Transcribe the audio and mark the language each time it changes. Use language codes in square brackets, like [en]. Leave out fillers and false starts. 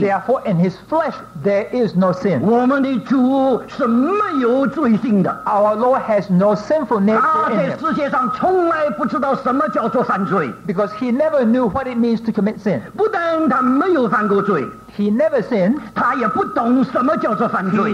[en] Therefore, in his flesh, there is no sin. [zh] 我们的主是没有罪性的。 [en] Our Lord has no sinful nature in him. [zh] 他在世界上从来不知道什么叫做犯罪。 [en] Because he never knew what it means to commit sin. [zh] 不但他没有犯过罪, [en] he never sinned, [zh] 他也不懂什么叫做犯罪,